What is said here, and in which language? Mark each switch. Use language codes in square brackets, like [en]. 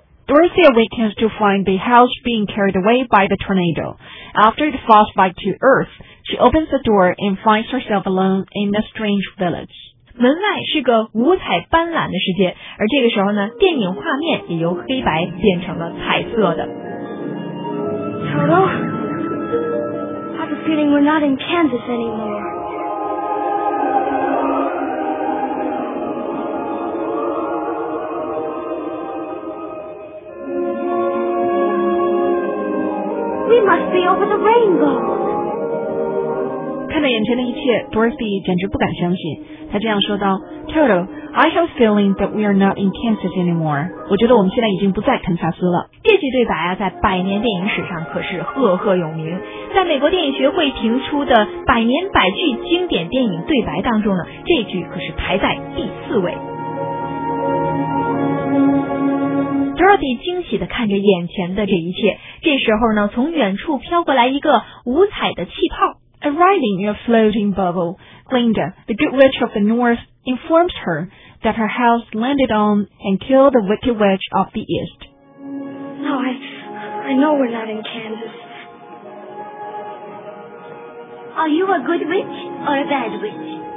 [en] Dorothy awakens to find the house being carried away by the tornado. After it falls back to earth, she opens the door and finds herself alone in a strange village. [zh] 门外是个五彩斑斓的世界，而这个时候呢，电影画面也由黑白变成了彩色的。 [en] Toto, I have a feeling we're not in Kansas anymore. [zh] 看着眼前的一切 ，Dorothy 简直不敢相信。她这样说道 ：“ [en] Toto, I have a feeling that we are not in Kansas anymore。 [zh] 我觉得我们现在已经不在堪萨斯了。” 这句对白啊，在百年电影史上可是赫赫有名。在美国电影学会评出的百年百句经典电影对白当中呢，这句可是排在第四位。 Dorothy 惊喜地看着眼前的这一切，这时候呢，从远处飘过来一个五彩的气泡。 [en] Arriving in a floating bubble, Glinda, the good witch of the north, informs her that her house landed on and killed the wicked witch of the east. No, I know we're not in Kansas. Are you a good witch or a bad witch?